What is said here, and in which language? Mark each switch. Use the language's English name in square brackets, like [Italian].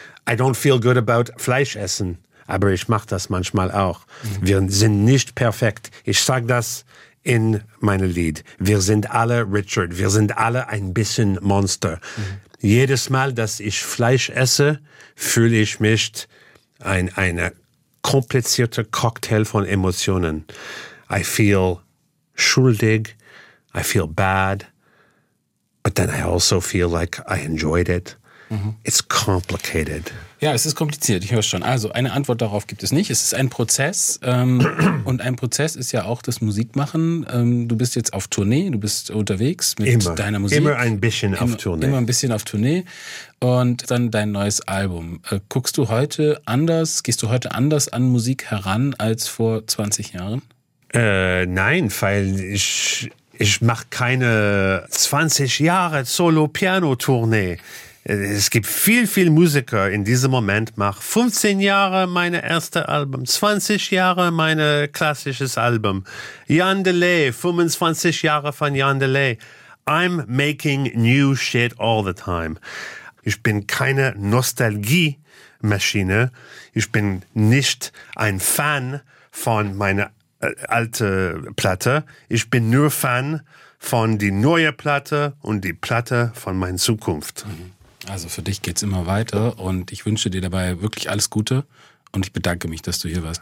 [English] I don't feel good about [German] Fleisch essen. Aber ich mache das manchmal auch. Wir sind nicht perfekt. Ich sage das in meinem Lied. Wir sind alle Richard. Wir sind alle ein bisschen Monster. Jedes Mal, dass ich Fleisch esse, fühle ich mich ein komplizierter Cocktail von Emotionen. [English] I feel [German] schuldig. [English] I feel bad. But then I also feel like I enjoyed it. It's complicated. [German] Ja, es ist kompliziert, ich höre es schon. Also eine Antwort darauf gibt es nicht. Es ist ein Prozess und ein Prozess ist ja auch das Musikmachen. Du bist jetzt auf Tournee, du bist unterwegs mit deiner Musik. Immer ein bisschen auf Tournee. Und dann dein neues Album. Guckst du heute anders, gehst du heute anders an Musik heran als vor 20 Jahren? Nein, weil ich mache keine 20 Jahre Solo-Piano-Tournee. Es gibt viel, viel Musiker in diesem Moment, mach 15 Jahre meine erste Album, 20 Jahre meine klassisches Album. Jan Delay, 25 Jahre von Jan Delay. [English] I'm making new shit all the time. [German] Ich bin keine Nostalgie-Maschine. Ich bin nicht ein Fan von meiner alten Platte. Ich bin nur Fan von die neue Platte und die Platte von meiner Zukunft. Also für dich geht's immer weiter und ich wünsche dir dabei wirklich alles Gute und ich bedanke mich, dass du hier warst.